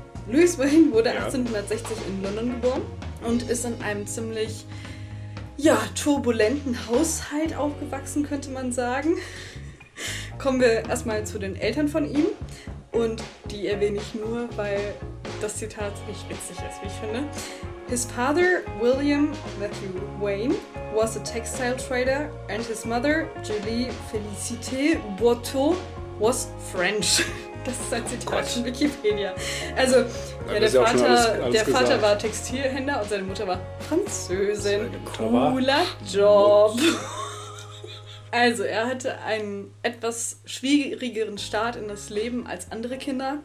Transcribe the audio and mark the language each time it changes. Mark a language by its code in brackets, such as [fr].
[de] Louis Wayne wurde 1860 in London geboren und ist in einem ziemlich turbulenten Haushalt aufgewachsen, könnte man sagen. Kommen wir erstmal zu den Eltern von ihm. Und die erwähne ich nur, weil das Zitat nicht witzig ist, wie ich finde. [en] His father, William Matthew Wayne, was a textile trader and his mother, Julie Félicité Boiteau, was French. [de] Das ist ein Zitat von Wikipedia. Also, ja, der Vater, alles war Textilhändler und seine Mutter war Französin. Mutter cooler war Job. Also, er hatte einen etwas schwierigeren Start in das Leben als andere Kinder.